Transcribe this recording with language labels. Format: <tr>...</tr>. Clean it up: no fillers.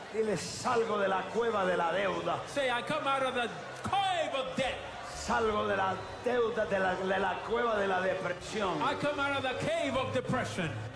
<es>Dile, salgo de la cueva de la deuda.</es> <en>Say, I come out of the cave of debt.</en> <es>Salgo de la deuda, de la cueva de la depresión.</es> <en>I come out of the cave of depression.</en>